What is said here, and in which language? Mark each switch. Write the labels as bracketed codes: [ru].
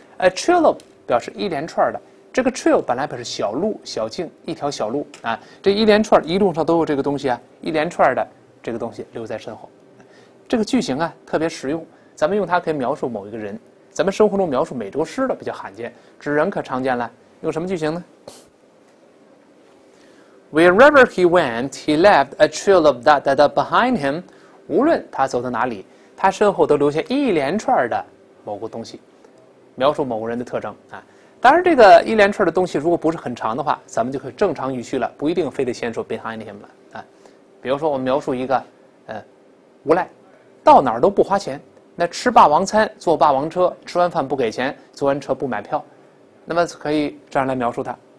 [en] A trail [zh] 表示一连串的，这个 trail 本来表示小路、小径、一条小路啊。这一连串一路上都有这个东西啊，一连串的这个东西留在身后。这个句型啊特别实用，咱们用它可以描述某一个人。咱们生活中描述美洲狮的比较罕见，指人可常见了。用什么句型呢 [en] ？Wherever he went, he left a trail of that that behind him。 [zh] 无论他走到哪里，他身后都留下一连串的某个东西，描述某个人的特征啊。当当然，这个一连串的东西如果不是很长的话，咱们就可以正常语序了，不一定非得先说 [en] behind him [zh] 了啊。比如说，我们描述一个，无赖，到哪儿都不花钱，那吃霸王餐，坐霸王车，吃完饭不给钱，坐完车不买票，那么可以这样来描述他。